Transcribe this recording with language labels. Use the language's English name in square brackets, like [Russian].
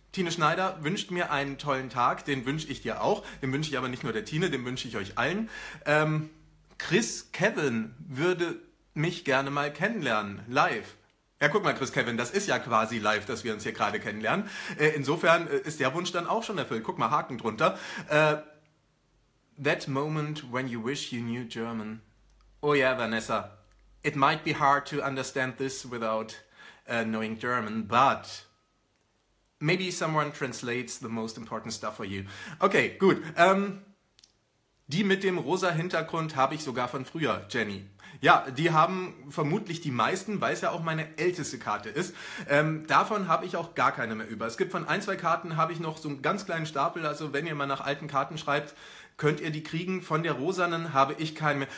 [German] Tine Schneider wünscht mir einen tollen Tag. Den wünsche ich dir auch. Den wünsche ich aber nicht nur der Tine, den wünsche ich euch allen. Chris Kevin würde mich gerne mal kennenlernen, live. Ja, guck mal, Chris Kevin, das ist ja quasi live, dass wir uns hier gerade kennenlernen. Insofern ist der Wunsch dann auch schon erfüllt. Guck mal, Haken drunter. [English] That moment when you wish you knew German. Oh yeah, Vanessa. It might be hard to understand this without knowing German, but maybe someone translates the most important stuff for you. [German] Okay, gut. Die mit dem rosa Hintergrund habe ich sogar von früher, Jenny. Ja, die haben vermutlich die meisten, weil es ja auch meine älteste Karte ist. Davon habe ich auch gar keine mehr über. Es gibt von ein, zwei Karten habe ich noch so einen ganz kleinen Stapel. Also wenn ihr mal nach alten Karten schreibt, könnt ihr die kriegen. Von der rosanen habe ich keine mehr.